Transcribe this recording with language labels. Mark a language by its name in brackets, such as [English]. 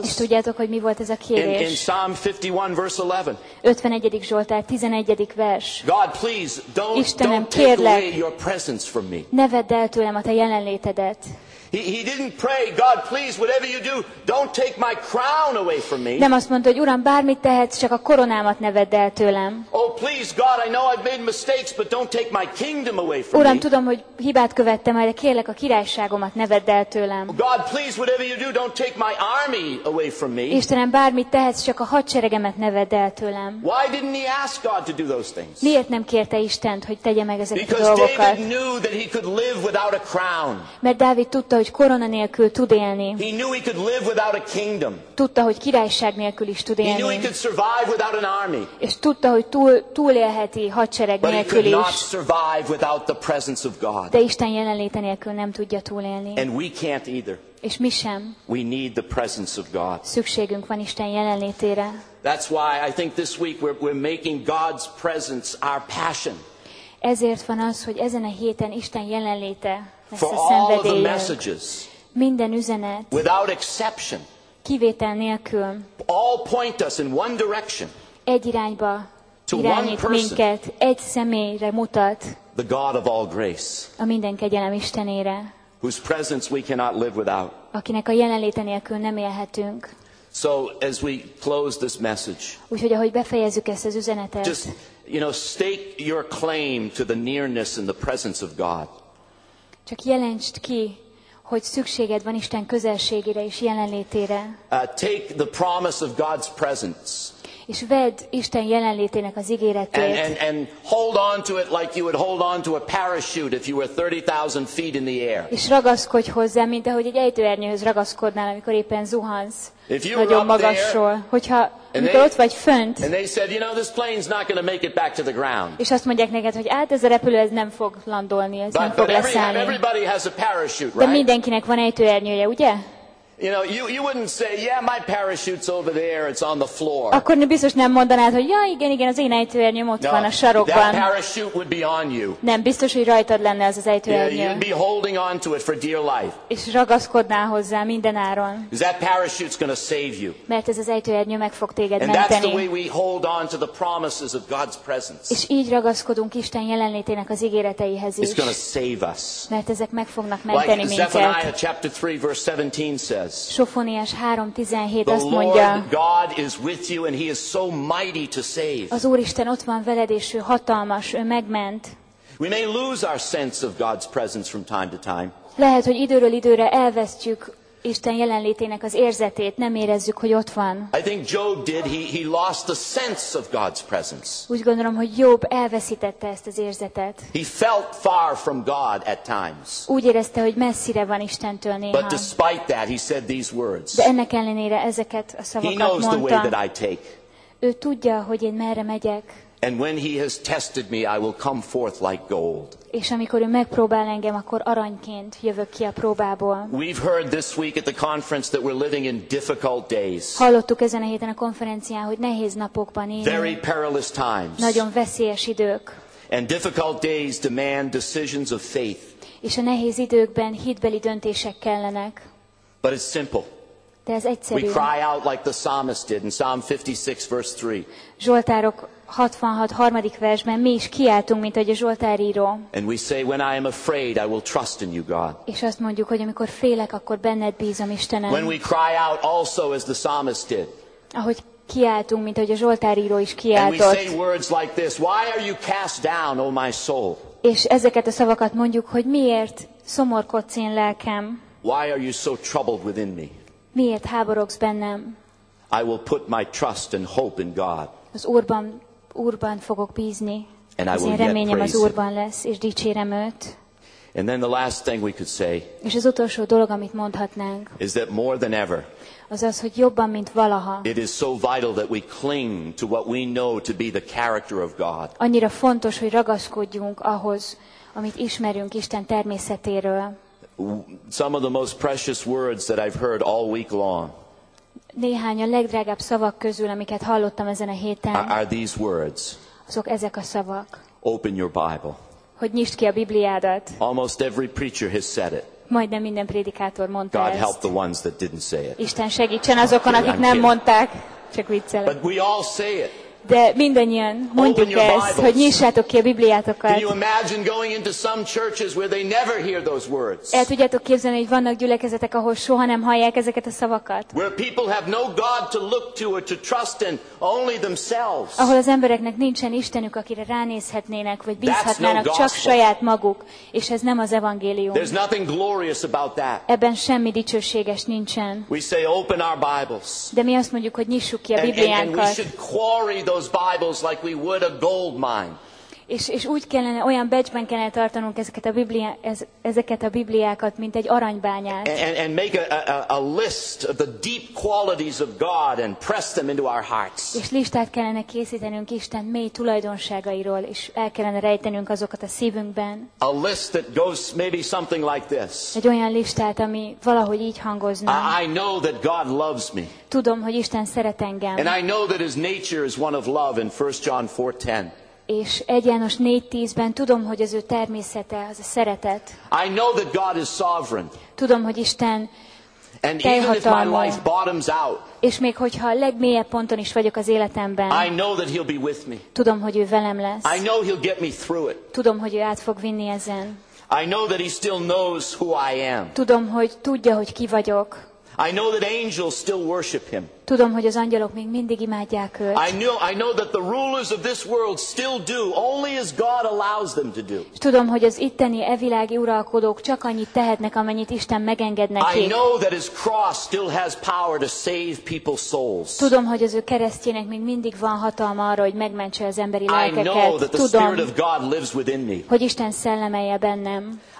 [Hungarian] És tudjátok, hogy mi volt ez a kérés? [English] In Psalm 51, verse 11. [Hungarian] 51. Zsoltár, 11. vers. [English] God, please, [Hungarian] Istenem, kérlek, ne vedd el tőlem a te jelenlétedet. [English] He didn't pray, God, please, whatever you do, don't take my crown away from me. [Hungarian] Nem azt mondta, hogy Uram, bármit tehetsz, csak a koronámat ne vedd el tőlem. [English] Oh, please, God, I know I've made mistakes, but don't take my kingdom away from me. [Hungarian] Uram, tudom, hogy hibát követtem, de kérlek, a királyságomat ne vedd el tőlem. [English] God, please, whatever you do, don't take my army away from me. [Hungarian] Istenem, bármit tehetsz, csak a hadseregemet ne vedd el tőlem. [English] Why didn't he ask God to do those things? [Hungarian] Miért nem kérte Istent, hogy tegye meg ezeket a dolgokat? [English] Because David knew that he could live without a crown. [Hungarian] Mert Dávid tudta, hogy korona nélkül tud élni. [English] He knew he could live without a kingdom. [Hungarian] Tudta, hogy királyság nélkül is tud élni. [English] He knew he could survive without an army. [Hungarian] És tudta, hogy túlélheti hadsereg nélkül is. [English] But he could not survive without the presence of God. [Hungarian] De Isten jelenléte nélkül nem tudja túlélni. [English] And we can't either. [Hungarian] És mi sem. [English] We need the presence of God. [Hungarian] Szükségünk van Isten jelenlétére. [English] That's why I think this week we're making God's presence our passion. [Hungarian] Ezért van az, hogy ezen a héten Isten jelenléte. [English] For all of the messages, [Hungarian] minden üzenet, [English] without exception, [Hungarian] kivétel nélkül, [English] all point us in one direction, [Hungarian] egy irányba irányít minket, egy személyre mutat, [English] the God of all grace, [Hungarian] a minden kegyelem Istenére, [English] whose presence we cannot live without, [Hungarian] akinek a jelenléte nélkül nem élhetünk. [English] So as we close this message, [Hungarian] úgyhogy ahogy befejezzük ezt az üzenetet, [English] just, you know, stake your claim to the nearness and the presence of God. [Hungarian] Csak jelentsd ki, hogy szükséged van Isten közelségére és jelenlétére. [English] Take the promise of God's presence. [Hungarian] És vedd Isten jelenlétének az ígéretét. [English] And hold on to it like you would hold on to a parachute if you were 30,000 feet in the air. [Hungarian] És ragaszkodj hozzá, mint ahogy egy ejtőernyőhöz ragaszkodnál, amikor éppen zuhansz. [English] If you [Hungarian] nagyon [English] were up [Hungarian] magasról, [English] there, [Hungarian] hogyha amikor ott vagy fönt, [English] and they said, you know, this plane's not going to make it back to the ground. [Hungarian] És azt mondják neked, hogy hát ez a repülő ez nem fog landolni, ez nem fog leszállni. [English] Everybody has a parachute, right? [Hungarian] De mindenkinek van ejtőernyője, ugye? [English] You know, you wouldn't say, yeah, my parachute's over there, it's on the floor. [Hungarian] Akkor biztos nem mondanád, hogy ja, igen, az én ejtőernyőm ott van a sarokban. [English] That parachute would be on you. [Hungarian] Nem, biztos, hogy rajtad lenne az ejtőernyő. [English] Yeah, you'd be holding on to it for dear life. [Hungarian] És ragaszkodnál hozzá mindenáron. [English] That parachute's going to save you. [Hungarian] Mert ez az ejtőernyő meg fog téged menteni. [English] And that's the way we hold on to the promises of God's presence. [Hungarian] És így ragaszkodunk Isten jelenlétének az ígéreteihez is. [English] It's going to save us. [Hungarian] Mert ezek meg fognak menteni minket. [English] Like Zephaniah chapter 3 verse 17 says. [Hungarian] Sofóniás 3:17 azt mondja. [English] The Lord God is with you and he is so mighty to save. [Hungarian] Az Úristen ott van veled és ő hatalmas, ő megment. [English] We may lose our sense of God's presence from time to time. [Hungarian] Lehet, hogy időről időre elvesztjük Isten jelenlétének az érzetét, nem érezzük, hogy ott van. [English] I think Job did. He lost the sense of God's presence. [Hungarian] Úgy gondolom, hogy Job elveszítette ezt az érzetet. [English] He felt far from God at times. [Hungarian] Úgy érezte, hogy messzire van Istentől néha. [English] But despite that, he said these words. [Hungarian] De ennek ellenére ezeket a szavakat mondta. [English] He knows the way that I take. [Hungarian] Ő tudja, hogy én merre megyek. [English] And when he has tested me, I will come forth like gold. [Hungarian] És amikor ő megpróbál engem, akkor aranyként jövök ki a próbából. [English] We've heard this week at the conference that we're living in difficult days. [Hungarian] Hallottuk ezen a héten a konferencián, hogy nehéz napokban élünk. [English] Very perilous times. [Hungarian] Nagyon veszélyes idők. [English] And difficult days demand decisions of faith. [Hungarian] És a nehéz időkben hitbeli döntések kellenek. [English] But it's simple. [Hungarian] De ez egyszerű. [English] We cry out like the psalmist did in Psalm 56 verse 3. [Hungarian] Zsoltárok 66. harmadik versben mi is kiáltunk, mint ahogy a Zsoltár író. [English] And we say, when I am afraid, I will trust in you, God. [Hungarian] És azt mondjuk, hogy amikor félek, akkor benned bízom, Istenem. [English] When we cry out also as the psalmist did. [Hungarian] Ahogy kiáltunk, mint ahogy a Zsoltár író is kiáltott. [English] And we say words like this, why are you cast down, O my soul? [Hungarian] És ezeket a szavakat mondjuk, hogy miért szomorkodsz én lelkem? [English] Why are you so troubled within me? [Hungarian] Miért háborogsz bennem? [English] I will put my trust and hope in God. [Hungarian] Az Úrban, Úrban fogok bízni. [English] And [Hungarian] az én reményem az Úrban lesz, és dicsérem őt. [English] And then the last thing we could say. [Hungarian] És az utolsó dolog, amit mondhatnánk. [English] Is that more than ever? [Hungarian] Az az, hogy jobban, mint valaha. [English] It is so vital that we cling to what we know to be the character of God. [Hungarian] Annyira fontos, hogy ragaszkodjunk ahhoz, amit ismerünk Isten természetéről. [English] Some of the most precious words that I've heard all week long. [Hungarian] Néhány a legdrágább szavak közül, amiket hallottam ezen a héten. [English] Are these words? [Hungarian] Azok ezek a szavak. [English] Open your Bible. [Hungarian] Hogy nyisd ki a Bibliádat. [English] Almost every preacher has said it. [Hungarian] Majdnem minden prédikátor mondta [English] God [Hungarian] ezt. [English] Help the ones that didn't say it. [Hungarian] Isten segítsen azokon, akik nem mondták. Csak viccelek. [English] But we all say it. [Hungarian] De mindannyian mondjuk ezt, hogy nyissátok ki a Bibliátokat. [English] Can you imagine going into some churches where they never hear those words? [Hungarian] El tudjátok képzelni, hogy vannak gyülekezetek, ahol soha nem hallják ezeket a szavakat? [English] Where people have no God to look to or to trust in, only themselves. [Hungarian] Ahol az embereknek nincsen Istenük, akire ránézhetnének, vagy bízhatnának, csak saját maguk, és ez nem az evangélium. [English] There's nothing glorious about that. [Hungarian] Ebben semmi dicsőséges nincsen. [English] We say open our Bibles. [Hungarian] De mi azt mondjuk, hogy nyissuk ki a Bibliánkat. [English] Those Bibles like we would a gold mine. [Hungarian] És úgy kellene, olyan becsben kellene tartanunk ezeket a ezeket a Bibliákat, mint egy aranybányát. [English] And make a list of the deep qualities of God and press them into our hearts. [Hungarian] És listát kellene készítenünk Isten mély tulajdonságairól, és el kellene rejtenünk azokat a szívünkben. [English] A list that goes maybe something like this. [Hungarian] Egy olyan listát, ami valahogy így hangozna. [English] I know that God loves me. [Hungarian] Tudom, hogy Isten szeret engem. [English] And I know that his nature is one of love in 1 John 4:10. [Hungarian] És 1 János 4:10-ben tudom, hogy az ő természete az a szeretet. [English] I know that God is sovereign. [Hungarian] Tudom, hogy Isten teljhatalmú. És még hogyha a legmélyebb ponton is vagyok az életemben. [English] I know that he'll be with me. [Hungarian] Tudom, hogy ő velem lesz. [English] I know he'll get me through it. [Hungarian] Tudom, hogy ő át fog vinni ezen. [English] I know that he still knows who I am. [Hungarian] Tudom, hogy tudja, hogy ki vagyok. [English] I know that angels still worship him. [Hungarian] Tudom, hogy az angyalok még mindig imádják őt. [English] I know that the rulers of this world still do, only as God allows them to do. [Hungarian] Tudom, hogy az itteni evilági uralkodók csak annyit tehetnek, amennyit Isten megenged nekik. [English] I know that his cross still has power to save people's souls. [Hungarian] Tudom, hogy az ő keresztjének még mindig van hatalma arra, hogy megmentse az emberi lelkeket. [English] I know that the spirit of God lives within me. [Hungarian] Hogy Isten szelleme él bennem.